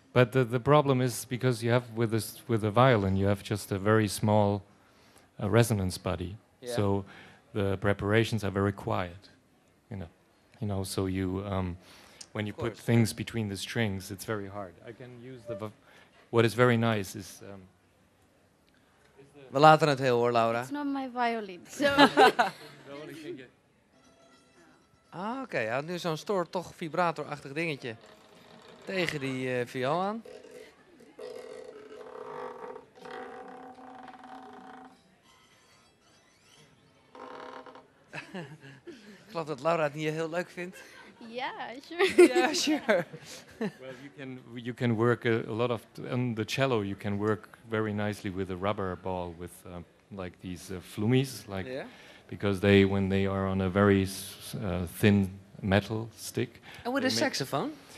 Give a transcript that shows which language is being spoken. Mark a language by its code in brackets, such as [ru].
[en] But the problem is because you have with the violin, you have just a very small resonance body. Yeah. So the preparations are very quiet. You know. So you when you put things between the strings, it's very hard. I can use the. What is very nice is. [nl] We laten het heel hoor, Laura. [en] It's not my violin, so... [nl] Ah, oké. Okay. Hij had nu zo'n stoor, toch vibratorachtig dingetje. Tegen die viool aan. Ik geloof dat Laura het niet heel leuk vindt. Ja, sure. Ja, sure. [en] Well, you can work a lot of on the cello. You can work very nicely with a rubber ball with like these flumis, like yeah. Because they when they are on a very thin metal stick. And with a saxophone.